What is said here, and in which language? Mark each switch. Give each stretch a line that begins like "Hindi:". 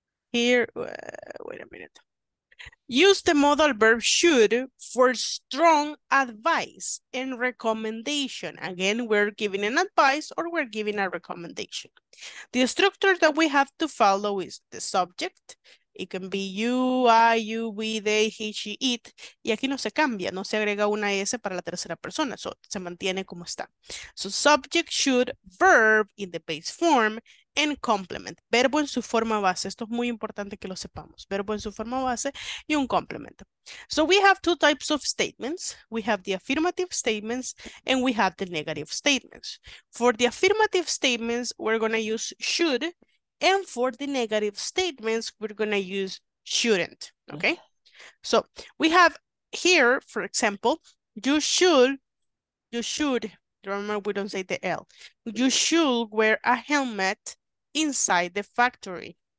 English: Here, wait a minute. Use the modal verb should for strong advice and recommendation. Again, we're giving an advice or we're giving a recommendation. The structure that we have to follow is the subject. It can be you, I, you, we, they, he, she, it.
Spanish: Y aquí no se cambia, no se agrega una S para la tercera persona. So, se mantiene como está.
English: So, subject, should, verb in the base form, and complement.
Spanish: Verbo en su forma base. Esto es muy importante que lo sepamos. Verbo en su forma base y un complemento.
English: So, we have two types of statements. We have the affirmative statements, and we have the negative statements. For the affirmative statements, we're going to use should. And for the negative statements, we're going to use shouldn't, okay? So we have here, for example, you should, remember we don't say the L, you should wear a helmet inside the factory.